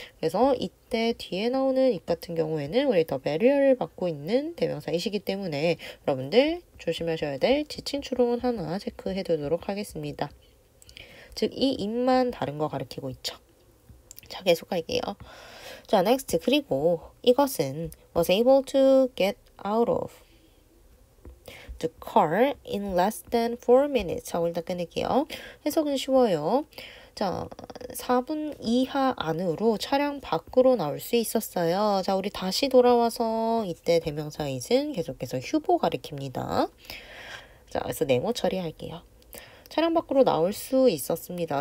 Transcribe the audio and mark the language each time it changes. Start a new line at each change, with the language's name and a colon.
Korean: 그래서 이때 뒤에 나오는 it 같은 경우에는 우리 더 barrier를 받고 있는 대명사이시기 때문에 여러분들 조심하셔야 될 지칭 추론 하나 체크해 두도록 하겠습니다. 즉, 이 it만 다른 거 가리키고 있죠. 자, 계속 할게요. 자, next. 그리고 이것은
English: was able to get out of the car in less than 4 minutes.
Korean: 자, 일단 끊을게요. 해석은 쉬워요. 자, 4분 이하 안으로 차량 밖으로 나올 수 있었어요. 자, 우리 다시 돌아와서 이때 대명사 is은 계속해서 휴보 가리킵니다. 자, 그래서 네모 처리할게요. 차량 밖으로 나올 수 있었습니다.